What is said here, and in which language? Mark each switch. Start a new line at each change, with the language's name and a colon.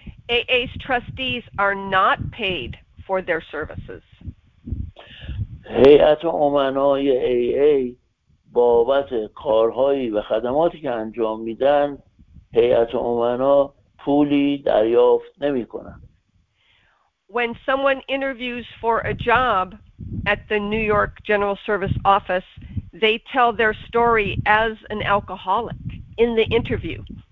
English: AA's trustees are not paid for their services.
Persian: هیئت امنای AA بابت کارهایی و خدماتی که انجام میدن هیئت امنا پولی دریافت نمیکنن.
English: When someone interviews for a job at the New York General Service Office, they tell their story as an alcoholic in the interview.